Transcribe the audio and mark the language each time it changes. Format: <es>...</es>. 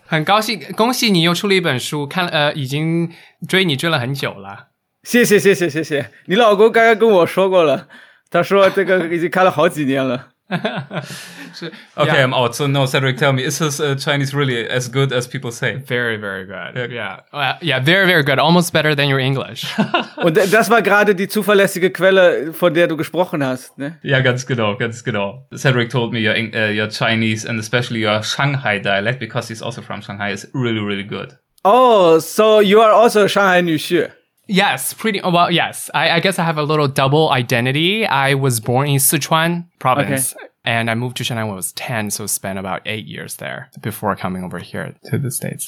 <zh>很高兴恭喜你又出了一本书看已经追你追了很久了。谢谢谢谢谢谢。你老公刚刚跟我说过了。他说这个已经看了好几年了。是</zh> <en>Okay, yeah. I'm out. So no, Cedric, tell me, is his Chinese really as good as people say? Very, very good. Yeah, very, very good. Almost better than your English.</en> <de>Und das war gerade die zuverlässige Quelle, von der du gesprochen hast, ne? Ja, ganz genau, ganz genau.</de> <en>Cedric told me your Chinese and especially your Shanghai dialect, because he's also from Shanghai, is really, really good. Oh, so you are also a Shanghai Nuxi. Yes, pretty well. Yes, I guess I have a little double identity. I was born in Sichuan province, and I moved to Shanghai when I was 10, so spent about 8 years there before coming over here to the States.</en>